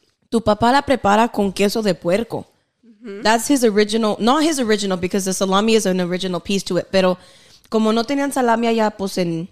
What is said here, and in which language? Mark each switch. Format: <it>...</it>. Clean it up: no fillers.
<es>Tu papá la prepara con queso de puerco. Mm-hmm.</es> <en>That's his original, not his original, because the salami is an original piece to it.</en> <es>Pero como no tenían salami allá, pues en...</es>